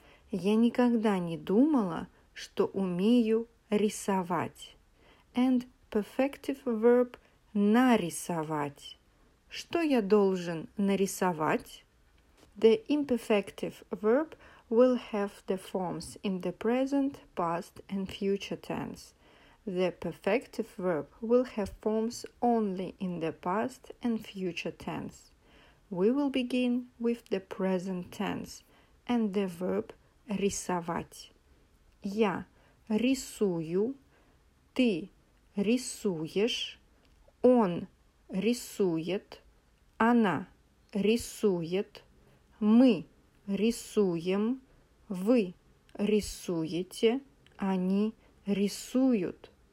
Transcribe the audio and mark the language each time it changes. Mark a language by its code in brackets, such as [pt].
[ru] Я никогда не думала, что умею рисовать. [en] And perfective verb нарисовать. [ru] Что я должен нарисовать? [en] The imperfective verb will have the forms in the present, past and future tense. The perfective verb will have forms only in the past and future tense. We will begin with the present tense and the verb рисовать. [ru] Я рисую, ты рисуешь, он рисует. Она рисует, мы рисуем, вы рисуете, они рисуют.